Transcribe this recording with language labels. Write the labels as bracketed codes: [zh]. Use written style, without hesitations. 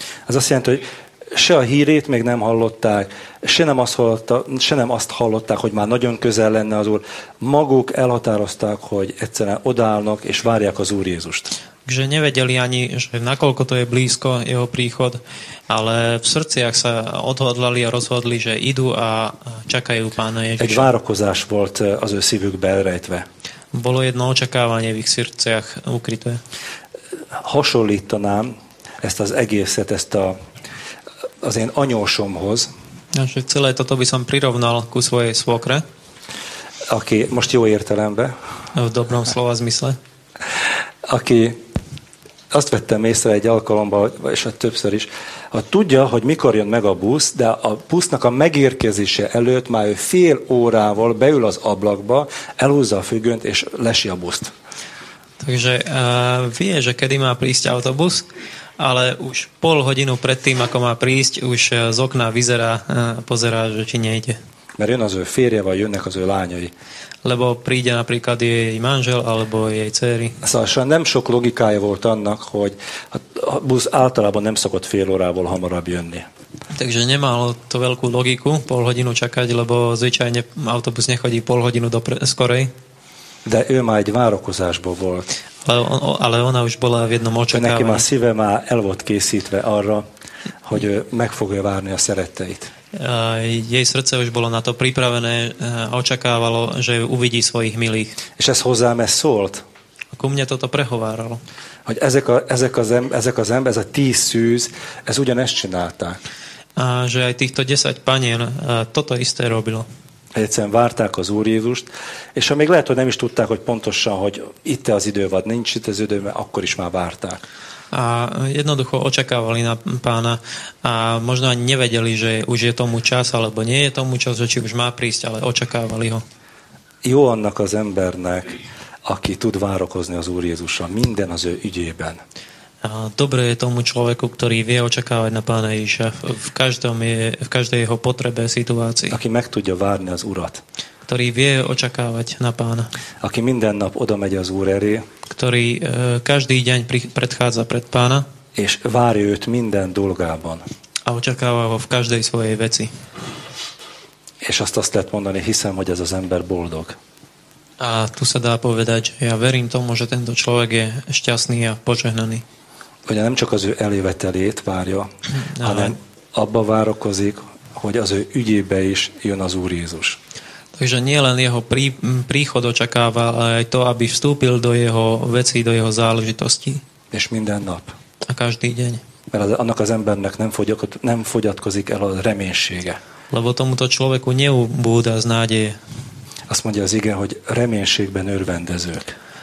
[hu] Az azt jelenti, hogy se a hírét még nem hallották, se nem azt hallották, hogy már nagyon közel lenne az Úr. Maguk elhatározták, hogy egyszerűen odaállnak és várják az Úr Jézust. [sk] Že nevedeli ani, že nakoľko to je blízko jeho príchod, ale v srdciach sa odhodlali a rozhodli, že idú a čakajú Pána Ježiša. [hu] Egy várakozás volt az ő szívükbe elrejtve. [sk] Bolo jedno očakávanie v ich srdciach ukryté. [hu] Hasonlítanám ezt az egészet, ezt a az én anyósomhoz. [sk] Celé toto by som prirovnal ku svojej svokre. [hu] Aki most jó értelemben. [sk] V dobrom slova zmysle. [hu] Aki azt vettem észre egy alkalomban, és többször is, ha tudja, hogy mikor jön meg a busz, de a busznak a megérkezése előtt már ő fél órával beül az ablakba, elhúzza a függönyt, és lesi a buszt. [sk] Takže vie, že kedy má prísť autobus, ale už pol hodinu predtým, ako má prísť, už z okna vyzerá, pozerá, že či nejde. [hu] Mert jön az ő férje, vagy jönnek az ő lányai. [sk] Lebo príde napríklad jej manžel, alebo jej céry. [hu] Szóval nem sok logikája volt annak, hogy a busz általában nem szokott fél órával hamarabb jönni. [sk] Takže nemalo to veľkú logiku, pol hodinu čakať, lebo zvyčajne autobus nechodí pol hodinu do skorej. [hu] De ő már egy várakozásban volt. [sk] Ale ona už bola v jednom očakávaní. [hu] Neki már szíve már el volt készítve arra, hogy ő meg fogja várni a szeretteit. [sk] Jej srdce už bolo na to pripravené, očakávalo, že uvidí svojich milých. [hu] És ez hozzám ez szólt. [sk] A ku mne toto prehováralo. [hu] Hogy ezek az ember, ez a 10 szűz, ez ugyanezt csinálták. [sk] A že aj týchto 10 panien toto isté robilo. [hu] Egyszerűen várták az Úr Jézust, és ha még lehet, hogy nem is tudták, hogy pontosan, hogy itt-e az idő, vagy nincs itt az idő, mert akkor is már várták. [sk] A jednoducho očakávali na pána a možno ani nevedeli, že už je tomu čas, alebo nie je tomu čas, že či už má prísť, ale očakávali ho. [hu] Jó annak az embernek, aki tud várakozni az Úr Jézusra, minden az ő ügyében. [sk] A dobre je tomu človeku, ktorý vie očakávať na pána Ježiša v každej jeho potrebe situácii. [hu] Aki meg tudja várni az Urat. [sk] Ktorý vie očakávať na pána. [hu] Aki minden nap oda megy az Úr elé. [sk] Ktorý každý deň predchádza pred pána. [hu] És várja őt minden dolgában. [sk] A očakáva ho v každej svojej veci. [hu] És azt lehet mondani, hiszem, hogy ez az ember boldog. [sk] A tu sa dá povedať, že ja verím tomu, že tento človek je šťastný a požehnaný. [hu] Ugye nem csak az ő eljövetelét várja, hanem abba várakozik, hogy az ő ügyébe is jön az Úr Jézus. [sk] Takže nielen jeho príchod očakáva, ale aj to, aby vstúpil do jeho veci, do jeho záležitosti. [hu] És minden nap. [sk] A každý deň. [hu] Mert annak az embernek nem fogyatkozik el a reménysége. [sk] Lebo tomuto človeku neubúda z nádeje. [hu] Azt mondja az ige, hogy reménységben örvendezők.